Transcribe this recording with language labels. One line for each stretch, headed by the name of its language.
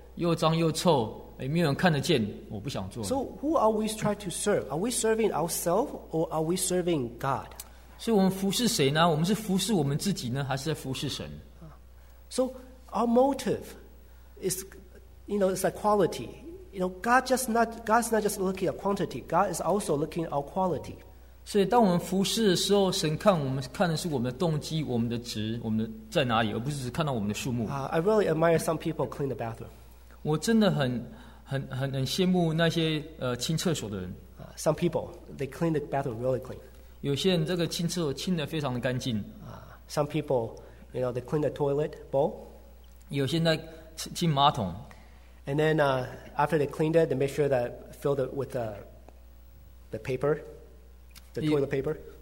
Chinese: 但是当我们谈到说清厕所的时候，又脏又臭，没有人看得见，我不想做。
English: So who are we trying to serve? Are we serving ourselves or are we serving God?
Chinese: 所以我们服侍谁呢? 我们是服侍我们自己呢? 还是在服侍神?
English: So our motive is, you know, it's like quality. You know, God's not just looking at quantity. God is also looking at our quality.
Chinese: 所以当我们服侍的时候, 神看我们看的是我们的动机、我们的值、我们的在哪里，而不是只看到我们的数目。
English: I really admire some people clean the bathroom.
Chinese: 我真的很羡慕那些 清厕所的人。
English: Some people they clean the bathroom really clean.
Chinese: 有些人这个清厕所清得非常的干净。
English: Some people, you know, they clean the toilet bowl.
Chinese: 有些人在清马桶。
English: And then after they cleaned it, they made sure that filled it with the paper, the toilet paper.